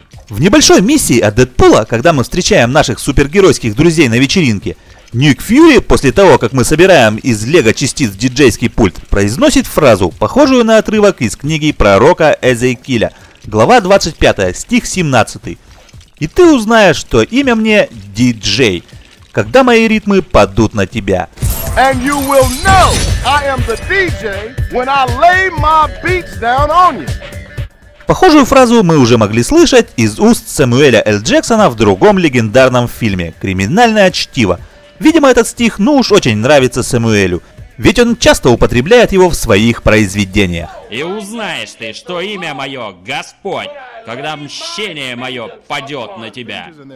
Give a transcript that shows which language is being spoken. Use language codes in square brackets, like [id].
[ru] В небольшой миссии от Дэдпула, когда мы встречаем наших супергеройских друзей на вечеринке, Ник Фьюри, после того, как мы собираем из лего-частиц диджейский пульт, произносит фразу, похожую на отрывок из книги пророка Эзекииля, глава 25, стих 17. И ты узнаешь, что имя мне Диджей, когда мои ритмы падут на тебя. [en] And you will know I am the DJ when I lay my beats down on you. [ru] Похожую фразу мы уже могли слышать из уст Сэмюэля Л. Джексона в другом легендарном фильме «Криминальное чтиво». Видимо, этот стих ну уж очень нравится Сэмюэлю, ведь он часто употребляет его в своих произведениях. И узнаешь ты, что имя мое Господь, когда мщение мое падет на тебя.